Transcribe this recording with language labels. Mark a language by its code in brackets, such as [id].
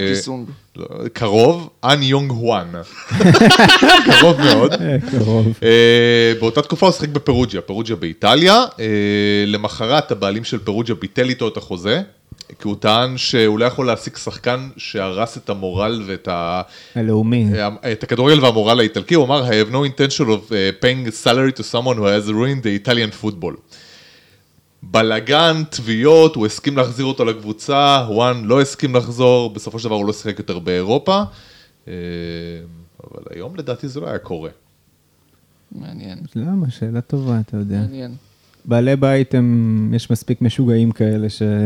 [he] ג'י-סונג. קרוב, אן יונג הואן. קרוב מאוד. קרוב. באותה תקופה הוא שחק בפירוג'יה, פירוג'יה באיטליה. למחרת הבעלים של פירוג'יה ביטל איתו את החוזה, כי הוא טען שהוא לא יכול להשיג שחקן שהרס את המורל ואת ה... הלאומי. את הכדורגל והמורל האיטלקי. הוא אמר, [en] I have no intention of paying salary to someone who has ruined the Italian football. [he] בלגן, תביעות, הוא הסכים להחזיר אותו לקבוצה, הואן לא הסכים לחזור, בסופו של דבר הוא לא שחק יותר באירופה, אבל היום לדעתי זה לא היה קורה. מעניין. למה? שאלה טובה, אתה יודע. מעניין. בעלי בית הם, יש מספיק משוגעים כאלה ש...